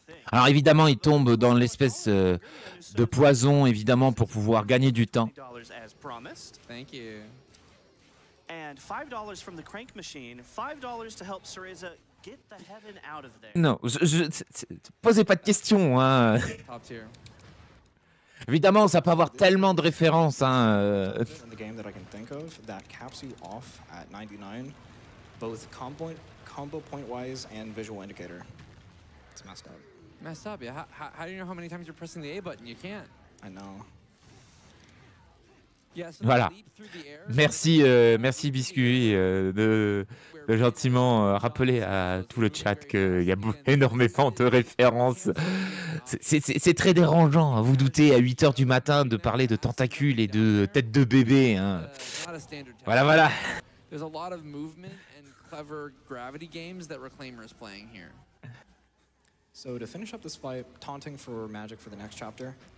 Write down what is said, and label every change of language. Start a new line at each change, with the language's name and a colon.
French: Alors évidemment, il tombe dans l'espèce de poison, évidemment, pour pouvoir gagner du temps.
English: Thank you. And $5 from the crank machine, $5 to help Cereza get the heaven out of there.
French: Non, je posez pas de questions, hein.
English: Top tier.
French: Évidemment, ça peut avoir tellement de références, hein.
English: In the game that I can think of that caps you off at 99, both combo point wise and visual indicator. It's messed up. Messed up, yeah. How do you know how many times you're pressing the A button? You can't. I know. Yes.
French: Voilà. Merci, merci Biscuit de gentiment rappeler à tout le chat qu'il y a énormément de références. C'est très dérangeant, hein, vous doutez, à 8h du matin, de parler de tentacules et de tête de bébé. Hein. Voilà, voilà.
English: There's a lot of movement and clever gravity games that Reclaimer is playing here. So to finish up this fight, taunting for magic for the next chapter.